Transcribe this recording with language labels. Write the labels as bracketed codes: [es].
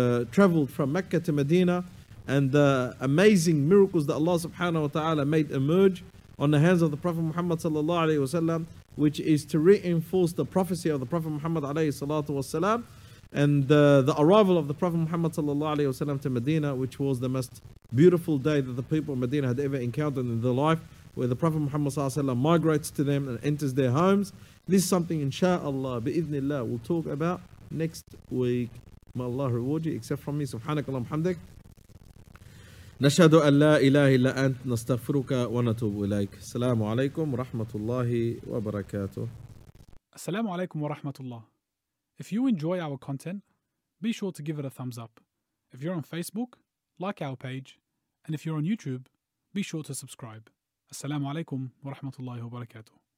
[en] traveled from Mecca to Medina, and the amazing miracles that Allah subhanahu wa ta'ala made emerge on the hands of the Prophet Muhammad sallallahu alayhi wa sallam, which is to reinforce the prophecy of the Prophet Muhammad alayhi salatu wasalam, and the arrival of the Prophet Muhammad sallallahu alayhi wasalam to Medina, which was the most beautiful day that the people of Medina had ever encountered in their life, where the Prophet Muhammad sallallahu alayhi wasalam migrates to them and enters their homes. This is something inshaAllah, bi'idhnillah, we'll talk about next week. May Allah reward you, except from me. [ar] Subhanakallah hamdik. نشهد أن لا إله إلا أنت نستغفرك ونتوب إليك السلام عليكم ورحمة الله وبركاته السلام عليكم ورحمة الله [en] If you enjoy our content, be sure to give it a thumbs up. If you're on Facebook, like our page. And if you're on YouTube, be sure to subscribe. [ar] السلام عليكم ورحمة الله وبركاته